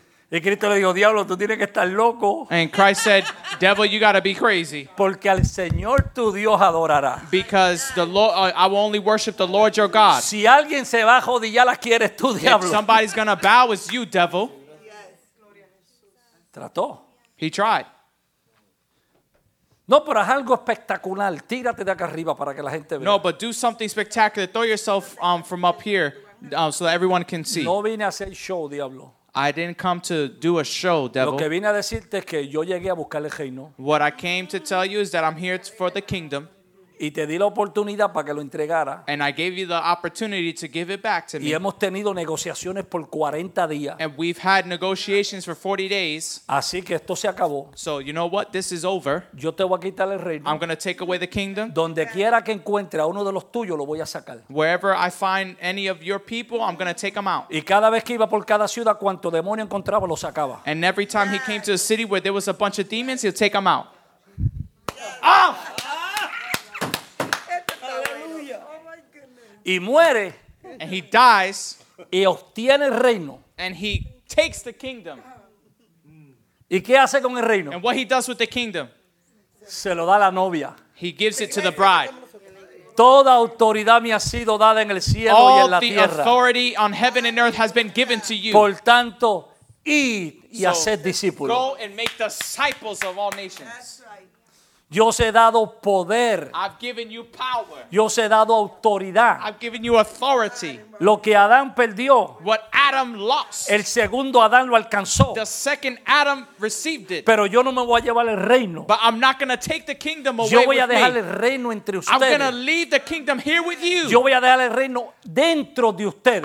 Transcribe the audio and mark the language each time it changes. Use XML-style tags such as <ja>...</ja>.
<es>Y Cristo le dijo, diablo, tú tienes que estar loco.</es> <en>And Christ said, devil, you got to be crazy.</en> <es>Porque al Señor tu Dios adorará.</es> <en>Because the Lord, I will only worship the Lord your God.</en> <es>Si alguien se va a jodillar, quieres tú, diablo.</es> <en>If somebody's going to bow, it's you, devil.</en> <es>Trató.</es> <en>He tried.</en> <es>No, pero haz algo espectacular. Tírate de acá arriba para que la gente vea.</es> <en>No, but do something spectacular. Throw yourself from up here so that everyone can see.</en> <es>No vine a hacer show, diablo.</es> <en>I didn't come to do a show, devil.</en> <es>Lo que vine a decirte es que yo llegué a buscar el reino.</es> <en>What I came to tell you is that I'm here for the kingdom.</en> <es>Y te di la oportunidad para que lo entregara.</es> <en>And I gave you the opportunity to give it back to me.</en> <es>Y hemos tenido negociaciones por 40 días.</es> <en>And we've had negotiations for 40 days.</en> <es>Así que esto se acabó.</es> <en>So you know what? This is over.</en> <es>Yo te voy a quitar el reino.</es> <en>I'm going to take away the kingdom.</en> <es>Donde quiera que encuentre a uno de los tuyos, lo voy a sacar.</es> <en>Wherever I find any of your people, I'm going to take them out.</en> <es>Y cada vez que iba por cada ciudad, cuanto demonio encontraba, lo sacaba.</es> <en>And every time he came to a city where there was a bunch of demons, he'll take them out. Ah! Oh!</en> <es>Y muere,</es> <en>and he dies,</en> <es>y obtiene el reino,</es> <en>and he takes the kingdom.</en> <es>¿Y qué hace con el reino?</es> <en>And what he does with the kingdom?</en> <es>Se lo da la novia.</es> <en>He gives it to the bride.</en> <es>Toda autoridad me ha sido dada en el cielo</es> <en>All</en> <es>y en la tierra.</es> <en>All the authority on heaven and earth has been given to you.</en> <es>Por tanto, id y haced discípulos.</es> <en>Go and make disciples of all nations.</en> <es>Yo os he dado poder.</es> <en>I've given you power.</en> <es>Yo os he dado autoridad.</es> <en>I've given you authority.</en> <es>Lo que Adán perdió,</es> <en>what Adam lost,</en> <es>el segundo Adán lo alcanzó.</es> <en>The second Adam received it.</en> <es>Pero yo no me voy a llevar el reino.</es> <en>But I'm not going to take the kingdom away.</en> <es>Yo voy a dejar me. El reino entre ustedes.</es> <en>I'm going to leave the kingdom here with you.</en> <es>Yo voy a dejar el reino dentro de ustedes.</es>